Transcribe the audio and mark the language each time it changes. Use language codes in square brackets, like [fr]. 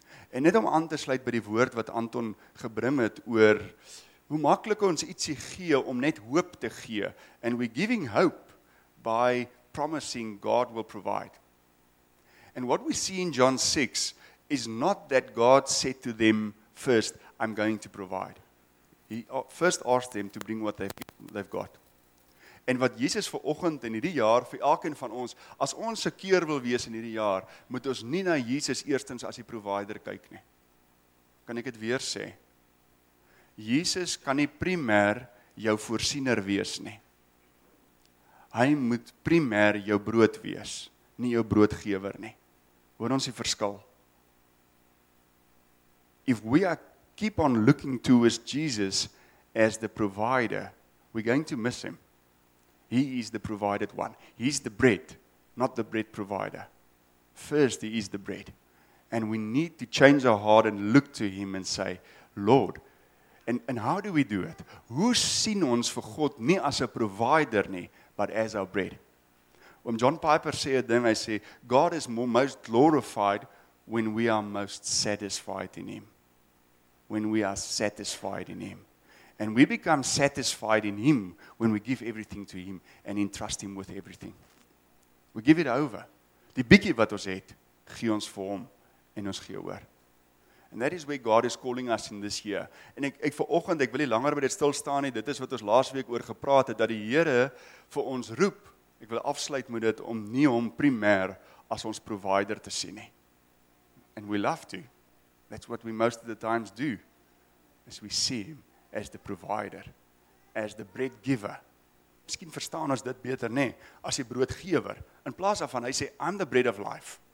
[af] En net om aan te sluit by die woord wat Anton gebring het oor hoe maklik ons ietsie gee om net hoop te gee. [en] And we're giving hope by promising God will provide. And what we see in John 6 is not that God said to them first, I'm going to provide. He first asked them to bring what they've got. [af] En wat Jesus vanoggend in hierdie jaar vir elkeen van ons, as ons seker wil wees in hierdie jaar, moet ons nie na Jesus eerstens as die provider kyk nie. Kan ek dit weer sê? Jesus kan nie primêr jou voorsiener wees nie. Hy moet primêr jou brood wees, nie jou broodgewer nie. Hoor ons die verskil? [en] If we are keep on looking to is Jesus as the provider, we're going to miss him. He is the provided one. He is the bread, not the bread provider. First, he is the bread. And we need to change our heart and look to him and say, Lord, and how do we do it? [af] Hoe sien ons vir God nie as 'n provider nie, [en] but as our bread? [af] Oom John Piper sê 'n ding, hy sê, [en] God is most glorified when we are most satisfied in him. When we are satisfied in him. And we become satisfied in him when we give everything to him and entrust him with everything. We give it over. [af] Die bietjie wat ons het, gee ons vir hom en ons gee oor. [en] And that is where God is calling us in this year. [af] En ek vanoggend, ek wil nie langer by dit stil staan nie. Dit is wat ons laas week oor gepraat het dat die Here vir ons roep. Ek wil afsluit met dit om nie hom primêr as ons provider te sien nie. [en] And we love to. That's what we most of the times do. As we see him as the provider, as the bread giver. [af] Miskien verstaan ons dit beter, nê, as die broodgewer. In plaas daarvan, hy sê, [en] I'm the bread of life.